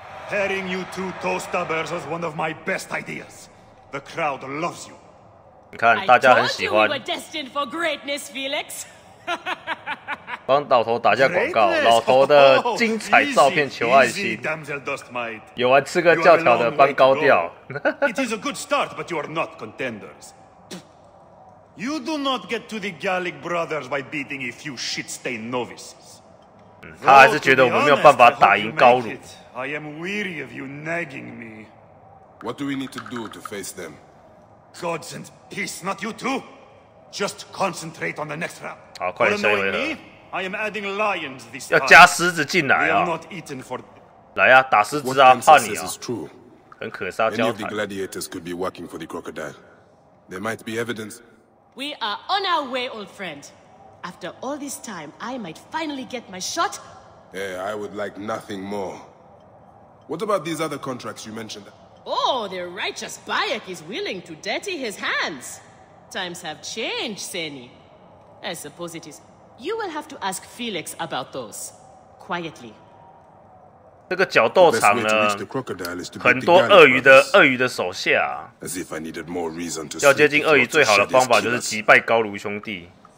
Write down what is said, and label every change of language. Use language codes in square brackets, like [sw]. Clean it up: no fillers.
[en] ？Pairing you two toastabers was one of my best ideas. The crowd loves you. [zh] 你看，大家很喜欢。 [en] I told you we were destined for greatness, Felix. [zh] 帮老头打下广告，老头的精彩照片求爱心。有玩刺客教条的帮高调。 [en] It is a good start, but you are not contenders. You do not get to the Gallic Brothers by beating a few shit-stained novices. [zh] 他还是觉得我们没有办法打赢高鲁。 [en] I am weary of you nagging me. What do we need to do to face them? Gods and peace, not you too. Just concentrate on the next round. [zh] 好，快点下一回合。 [en] I am adding lions this time. [zh] 要加狮子进来啊！ [en] We are not eaten for... [zh] 来啊，打狮子啊，怕你啊！很可杀交谈。 [en] Any of the gladiators could be working for the crocodile. There might be evidence. We are on our way, old friend. After all this time, I might finally get my shot. Hey, I would like nothing more. What about these other contracts you mentioned? Oh, the righteous Bayek is willing to dirty his hands. Times have changed, Seni. I suppose it is. You will have to ask Felix about those quietly. [zh] 这个角斗场呢，很多鳄鱼的手下。 [en] As if I needed more reason to. [zh] 要接近鳄鱼最好的方法就是击败高卢兄弟。